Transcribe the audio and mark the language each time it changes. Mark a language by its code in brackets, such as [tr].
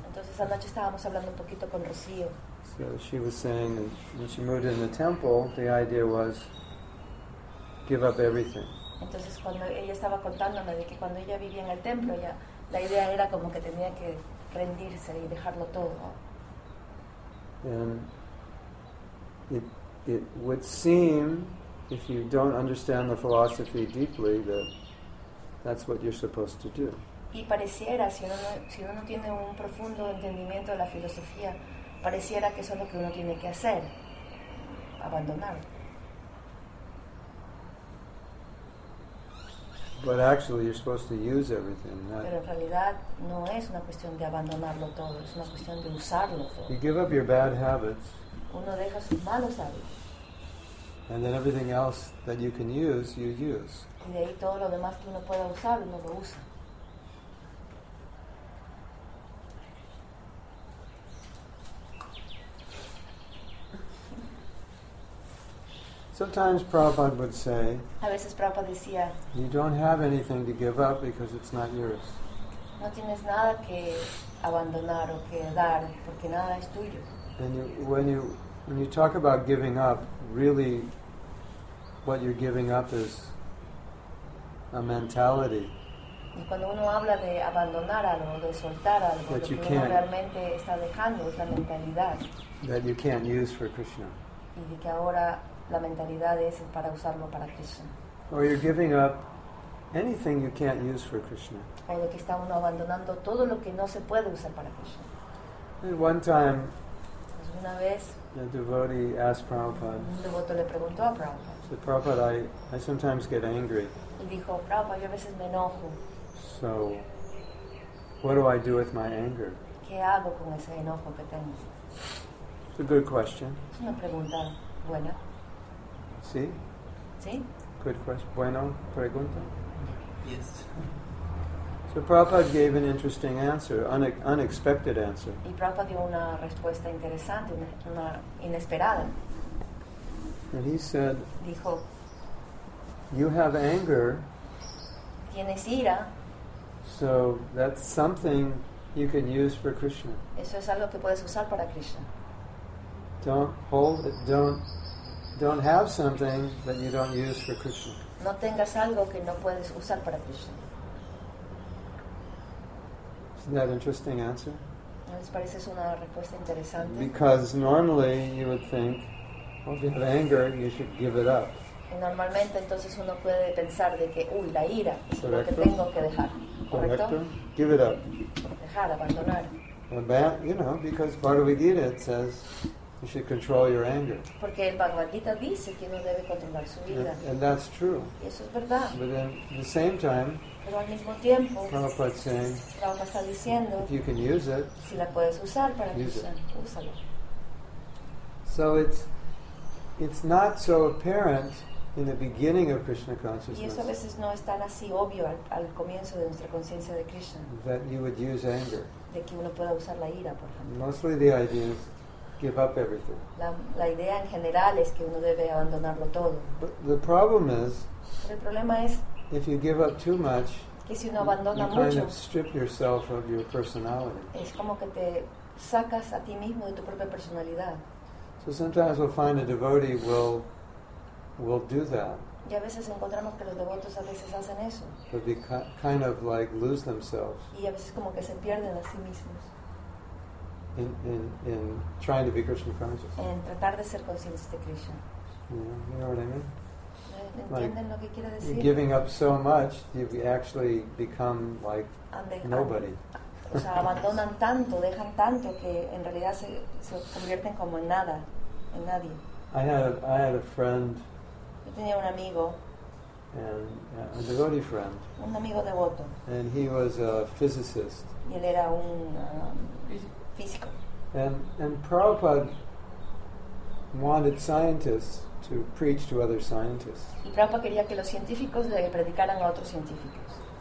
[es] Entonces anoche estábamos hablando un poquito con Rocío. [en] So she was saying that when she moved in the temple, the idea was give up everything. [es] Entonces cuando ella estaba contándome de que cuando ella vivía en el templo, ya la idea era como que tenía que rendirse y dejarlo todo. [en] And it would seem, if you don't understand the philosophy deeply, that that's what you're supposed to do. [es] Y pareciera, si uno no tiene un profundo entendimiento de la filosofía, pareciera que eso es lo que uno tiene que hacer, abandonar. [en] But actually you're supposed to use everything. Not... [es] Pero en realidad no es una cuestión de abandonarlo todo, es una cuestión de usarlo todo. [en] You give up your bad habits. [es] Uno deja sus malos hábitos. [en] And then everything else that you can use, you use. [es] Y de ahí todo lo demás que uno pueda usar, uno lo usa. [en] Sometimes Prabhupada would say, [es] a veces Prabhupada decía, [en] you don't have anything to give up because it's not yours. [es] No tienes nada que abandonar o que dar porque nada es tuyo. [en] And when you talk about giving up, really what you're giving up is a mentality. [es] Y cuando uno habla de abandonar algo, de soltar algo, [en] that [es] lo [en] you [es] que [en] can't, [es] uno realmente está dejando es la mentalidad. [en] That you can't use for Krishna. [es] Y de que ahora la mentalidad es para usarlo para Krishna. [en] Or you're giving up anything you can't use for Krishna. [es] O de que está uno abandonando todo lo que no se puede usar para Krishna. [en] And one time, [es] una vez, [en] a devotee asked Prabhupada. [es] Un devoto le preguntó a Prabhupada. [en] Said, Prabhupada, I sometimes get angry. [es] Y dijo, Prabhupada, yo a veces me enojo. [en] So, what do I do with my anger? [es] ¿Qué hago con ese enojo que tengo? [en] It's a good question. [es] Es una pregunta buena. ¿Sí? ¿Sí? [en] Good question. [es] Bueno, pregunta. [en] Yes. So Prabhupada gave an interesting answer, unexpected answer. [es] Y Prabhupada dio una respuesta interesante, una inesperada. [en] And he said, [es] dijo, [en] you have anger, [es] tienes ira, [en] so that's something you can use for Krishna. [es] Eso es algo que puedes usar para Krishna. [en] Don't have something that you don't use for Krishna. [es] No tengas algo que no puedes usar para Krishna. [en] Isn't that an interesting answer? [es] ¿Les parece una respuesta interesante? [en] Because normally you would think, well, if you have anger, you should give it up. [es] Y normalmente entonces uno puede pensar de que, uy, la ira es lo que tengo que dejar. ¿Correcto? [en] Give it up. [es] Dejar, abandonar. [en] Well, that, you know, because Bhagavad Gita says you should control your anger. [es] Porque el Bhagavad Gita dice que uno debe controlar su ira. [en] And that's true. [es] Y eso es verdad. [en] But then, at the same time, [es] pero al mismo tiempo, Prabhupada está diciendo, [en] if you can use it, [es] si la puedes usar para Krishna, úsalo. [en] So it's not so apparent in the beginning of Krishna consciousness. [es] Y eso a veces no es tan así obvio al comienzo de nuestra conciencia de Krishna. [en] That you would use anger. [es] De que uno pueda usar la ira, por ejemplo. [en] Mostly the idea is give up everything. [es] La idea en general es que uno debe abandonarlo todo. [en] But the problem is. [es] Pero el problema es. [en] If you give up too much, [es] que si uno abandona [en] you kind [es] mucho, [en] of strip yourself of your personality. [es] Es como que te sacas a ti mismo de tu propia personalidad. [en] So sometimes we'll find a devotee will do that. [es] Y a veces encontramos que los devotos a veces hacen eso. [en] But they kind of like lose themselves. [es] Y a veces como que se pierden a sí mismos. [en] In trying to be Krishna conscious. [es] En tratar de ser conscientes de Krishna. [en] Yeah, you know what I mean? [es] Like, lo que quiere decir? [en] You're giving up so much, you've actually become like nobody. [es] O sea, abandonan tanto, dejan tanto que en realidad se convierten como en nada, en nadie. [en] I had a friend. [es] Yo tenía un amigo. [en] And a devotee friend. [es] Un amigo devoto. [en] And he was a physicist. [es] Y él era un físico. [en] And Prabhupada wanted scientists to preach to other scientists. [es] Y Prabhupada quería que los científicos le predicaran a otros científicos.